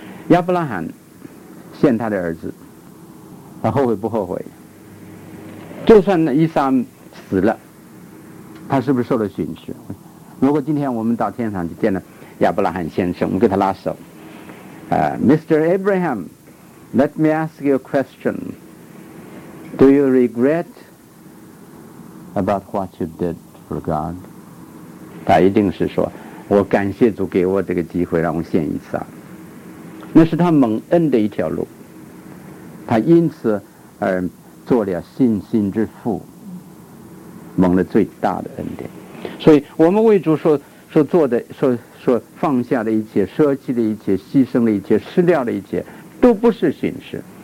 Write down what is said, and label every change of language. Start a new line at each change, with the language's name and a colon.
Chinese: 亚伯拉罕献他的儿子，他后悔不后悔？就算伊撒死了，他是不是受了损失？如果今天我们到天上去见了亚伯拉罕先生，我们给他拉手，Mr.
English: Abraham, let me ask you a question. Do you regret about what you did for God?
Chinese: 他一定是说，我感谢主给我这个机会让我献以撒。那是他蒙恩的一条路，他因此而做了信心之父，蒙了最大的恩典。所以我们为主所放下的一切，舍弃的一切，牺牲的一切，失掉的一切，都不是损失。